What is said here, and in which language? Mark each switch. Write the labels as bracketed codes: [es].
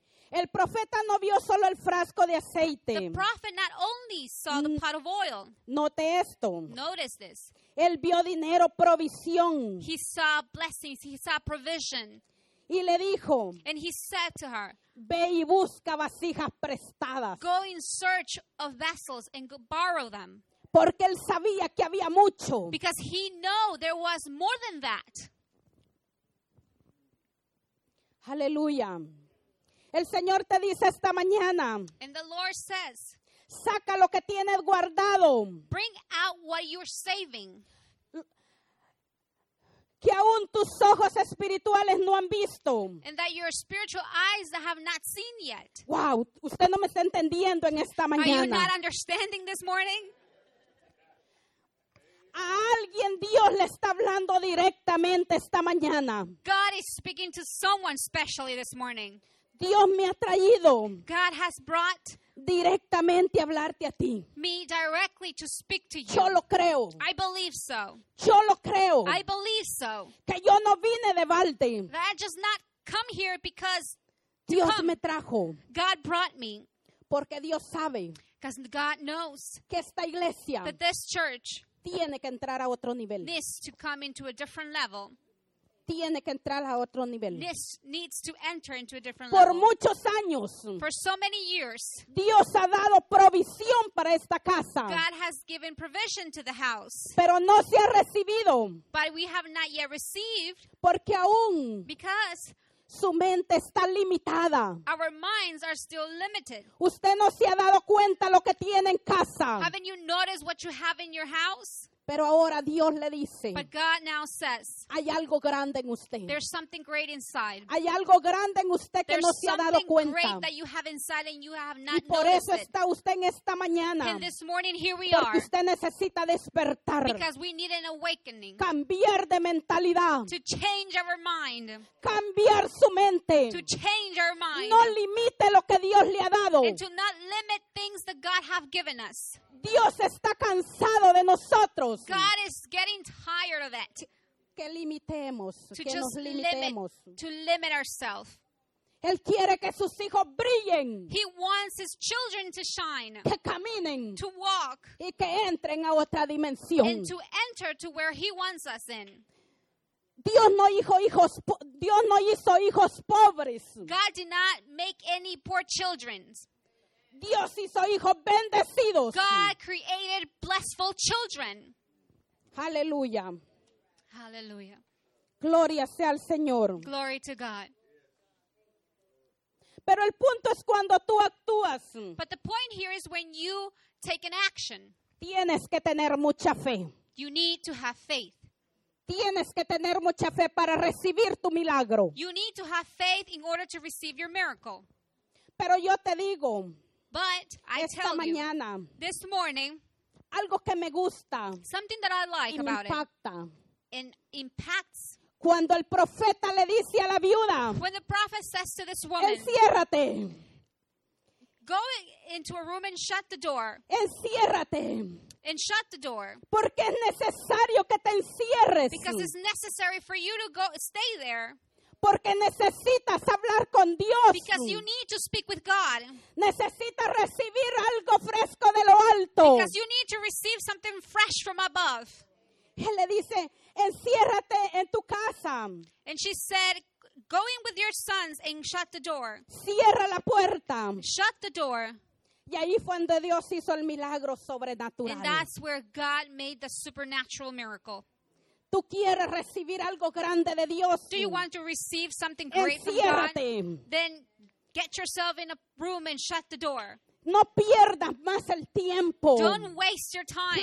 [es] El profeta no vio solo el frasco de aceite. [en] The prophet not only saw the pot of oil. [es] Note esto. [en] Notice this. [es] Él vio dinero, provisión. [en] He saw blessings. He saw provision. [es] Y le dijo, [en] and he said to her, [es] ve y busca vasijas prestadas. [en] Go in search of vessels and go borrow them. [es] Porque él sabía que había mucho. [en] Because he knew there was more than that. [es] Aleluya. El Señor te dice esta mañana. [en] And the Lord says, [es] saca lo que tienes guardado. [en] Bring out what you're saving. [es] Que aún tus ojos espirituales no han visto. [en] And that your spiritual eyes have not seen yet. [es] Wow, usted no me está entendiendo en esta mañana. [en] Are you not understanding this morning? [es] A alguien Dios le está hablando directamente esta mañana. [en] God is speaking to someone specially this morning. [es] Dios me ha traído. [en] God has brought [es] directamente hablarte a ti. [en] Me directly to speak to you. [es] Yo lo creo. [en] I believe so. [es] Yo lo creo. [en] I believe so. [es] Que yo no vine de balde. [en] That I just not come here because [es] Dios [en] come. [es] Me trajo. [en] God brought me. [es] Porque Dios sabe. [en] Because God knows. [es] Que esta iglesia [en] that this church [es] tiene que entrar a otro nivel. [en] Needs to come into a different level. [es] tiene que entrar a otro nivel. [en] This needs to enter into a different [es] Por Muchos años, [en] For so many years, [es] Dios ha dado provisión para esta casa. [en] God has given provision to the house. [es] Pero no se ha recibido. [en] But we have not yet received. [es] Porque aún. [en] Because [es] Su mente está limitada. [en] Our minds are still limited. [es] Usted no se ha dado cuenta lo que tiene en casa. [en] Haven't you noticed what you have in your house? [es] Pero ahora Dios le dice. [en] But God now says. [es] Hay algo grande en usted. [en] There's something great inside. [es] Hay algo grande en usted que [en] There's [es] no se ha dado cuenta. [en] There's something great that you have inside and you have not noticed. [es] Y por [en] noticed [es] eso está usted en esta mañana. [en] And this morning here we [es] Porque [en] are. [es] Porque usted necesita despertar. [en] Because we need an awakening. [es] Cambiar de mentalidad. [en] To change our mind. [es] Cambiar su mente. [en] To change our mind. [es] No limite lo que Dios le ha dado. [en] And to not limit things that God have given us. [es] Dios está cansado de nosotros. [en] God is getting tired of it. [es] Que limitemos, [en] to [es] que [en] just [es] nos limitemos. [en] Limit, to limit ourselves. [es] Él quiere que sus hijos brillen. [en] He wants his children to shine. [es] Que caminen. [en] To walk. [es] Y que entren a otra dimensión. [en] And to enter to where he wants us in. [es] Dios no hizo hijos, Dios no hizo hijos pobres. [en] God did not make any poor children. [es] Dios hizo hijos bendecidos. [en] God created blissful children. [es] Aleluya. Aleluya. Gloria sea al Señor. [en] Glory to God. [es] Pero el punto es cuando tú actúas. [en] But the point here is when you take an action. [es] Tienes que tener mucha fe. [en] You need to have faith. [es] Tienes que tener mucha fe para recibir tu milagro. [en] You need to have faith in order to receive your miracle. [es] Pero yo te digo. [en] But I [es] Esta [en] tell [es] mañana, [en] you, this morning, [es] algo que me gusta, [en] something that I like [es] y me [en] about [es] impacta, [en] it, and impacts, [es] cuando el profeta le dice a la viuda, [en] when the prophet says to this woman, [es] Enciérrate. [en] Go into a room and shut the door. [es] Enciérrate. [en] And shut the door. [es] Porque es necesario que te encierres. [en] Because it's necessary for you to go stay there. [es] Porque necesitas hablar con Dios. [en] Because you need to speak with God. [es] Necesitas recibir algo fresco de lo alto. [en] Because you need to receive something fresh from above. [es] Él le dice, enciérrate en tu casa. [en] And she said, go in with your sons and shut the door. [es] Cierra la puerta. [en] Shut the door. [es] Y ahí fue donde Dios hizo el milagro sobrenatural. [en] And that's where God made the supernatural miracle. [es] Tú quieres recibir algo grande de Dios. [en] Do you want to receive something great [es] Enciérrate. [en] From God? Then get yourself in a room and shut the door. [es] No pierdas más el tiempo. [en] Don't waste your time.